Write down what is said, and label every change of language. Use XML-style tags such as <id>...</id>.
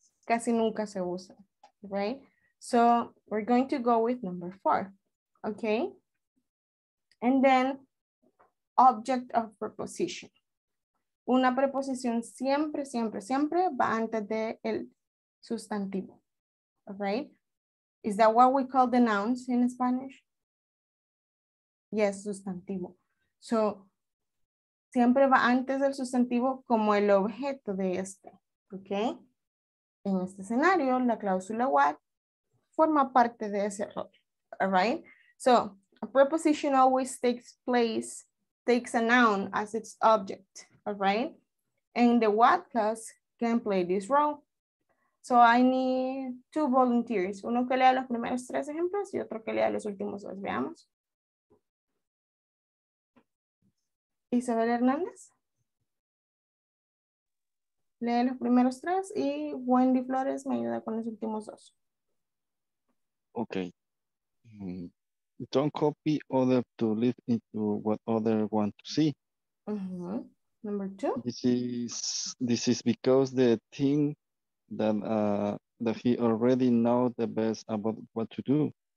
<es>Casi nunca se usa.</es> <en>Right? So, we're going to go with number 4. Okay? And then, object of preposition.</en> <es>Una preposición siempre, siempre, siempre va antes del sustantivo.</es> <en>All right? Is that what we call the nouns in Spanish? Yes, sustantivo.</en> <es>So, siempre va antes del sustantivo como el objeto de este. ¿Ok? En este escenario, la cláusula what forma parte de ese rol.</es> <en>All right? So, a preposition always takes a noun as its object. All right? And the what clause can play this role. So, I need 2 volunteers.</en> <es>Uno que lea los primeros 3 ejemplos y otro que lea los últimos 2. Veamos. Isabel Hernández, lee los primeros 3 y Wendy Flores me ayuda con los últimos 2.</es> <en>Okay. don't copy other to live into what other want to see. Mm-hmm. Number two. This is because the thing that that he already know the best about what to do.</en>